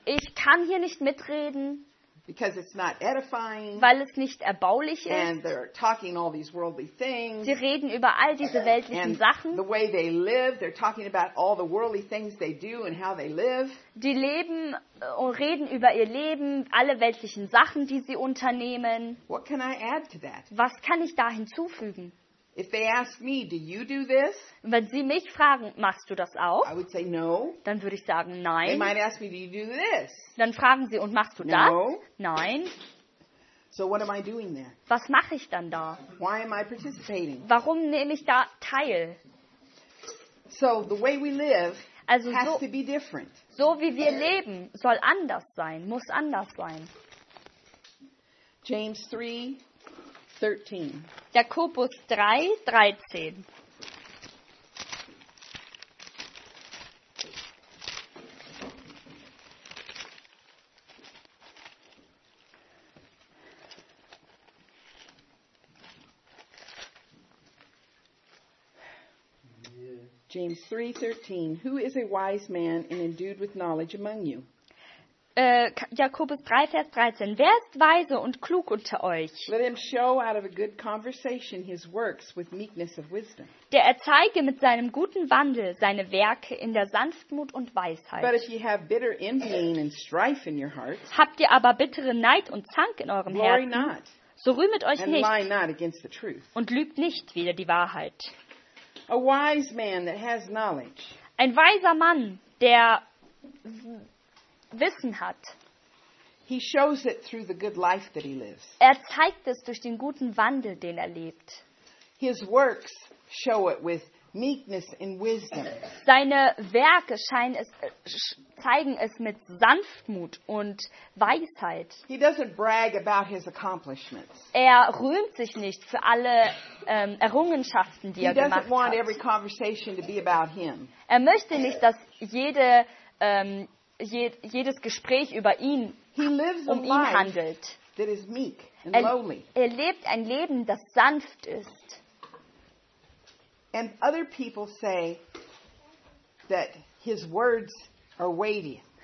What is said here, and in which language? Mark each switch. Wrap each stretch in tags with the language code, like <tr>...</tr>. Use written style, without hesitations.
<de>Ich kann hier nicht mitreden.</de> <en>Because it's not edifying.</en> <de>Weil es nicht erbaulich ist.</de> <en>And they're talking all these worldly things.</en> <de>Sie reden über all diese weltlichen Sachen.</de> <en>The way they live, they're talking about all the worldly things they do and how they live.</en> <de>Die leben und reden über ihr Leben, alle weltlichen Sachen, die sie unternehmen.</de> <en>What can I add to that?</en> <de>Was kann ich da hinzufügen?</de> <en>If they ask me, do you do this?</en> <de>Wenn sie mich fragen, machst du das auch?</de> <en>I would say no.</en> <de>Dann würde ich sagen, nein.</de> <en>They might ask me, do you do this?</en> <de>Dann fragen sie, und machst du</de> <en>no.</en> <de>das? Nein.</de> <en>So what am I doing there?</en> <de>Was mache ich dann da?</de> <en>Why am I participating?</en> <de>Warum nehme ich da teil?</de> <en>So the way we live</en> <de>also</de> <en>has to be different.</en> <de>So wie wir leben, soll anders sein, muss anders sein.</de> <en>James 3, 13.</en> <de>Jakobus 3, 13.</de> <en>James 3, 13. Who is a wise man and endued with knowledge among you?</en> <de>Jakobus 3, Vers 13. Wer ist weise und klug unter euch?</de> <en>Let him show out of a good conversation his works with meekness of wisdom.</en> <de>Der erzeige mit seinem guten Wandel seine Werke in der Sanftmut und Weisheit.</de> <en>But if you have bitter envy and strife in your hearts,</en> <de>habt ihr aber bittere Neid und Zank in eurem Herzen,</de> <en>glory not,</en> <de>so rühmet euch</de> <en>and</en> <de>nicht</de> <en>lie not against the truth.</en> <de>Und lügt nicht wider die Wahrheit.</de> <en>A wise man that has knowledge.</en> <de>Ein weiser Mann, der Wissen hat.</de> <en>He shows it through the good life that he lives.</en> <de>Er zeigt es durch den guten Wandel, den er lebt.</de> <en>His works show it with meekness and wisdom.</en> <de>Seine Werke zeigen es mit Sanftmut und Weisheit.</de> <en>He doesn't brag about his accomplishments.</en> <de>Er rühmt sich nicht für alle Errungenschaften, die</de> <en>he</en> <de>er gemacht</de> <en>doesn't want</en> <de>hat.</de> <en>Every conversation to be about him.</en> <de>Er möchte nicht, dass jedes Gespräch über ihn um ihn handelt.</de> <en>That is meek and lowly.</en> <de>Er lebt ein Leben, das sanft ist.</de> <en>And other people say that his words are weighty.</en>